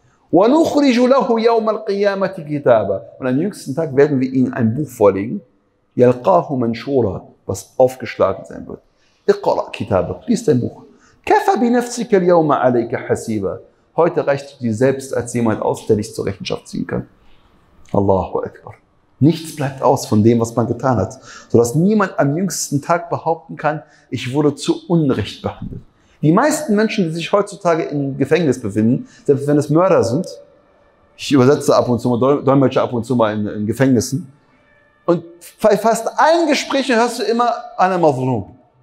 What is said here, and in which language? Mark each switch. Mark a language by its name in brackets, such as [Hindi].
[German] Und am jüngsten Tag werden wir ihm ein Buch vorlegen. [Arabic] يَلْقَاهُ مَنْشُورًا, [German] was aufgeschlagen sein wird. [Arabic] اقرأ كتابك, [German] lies dein Buch. [Arabic] كفى بنفسك اليوم عليك حسيبا. [German] Heute reicht du dir selbst als jemand aus, der dich zur Rechenschaft ziehen kann. Allahu Akbar. Nichts bleibt aus von dem, was man getan hat, sodass niemand am jüngsten Tag behaupten kann, ich wurde zu Unrecht behandelt. Die meisten Menschen, die sich heutzutage im Gefängnis befinden, selbst wenn es Mörder sind, ich übersetze ab und zu mal, dolmetsche ab und zu mal in Gefängnissen, und bei fast allen Gesprächen hörst du immer an einem Mazlum.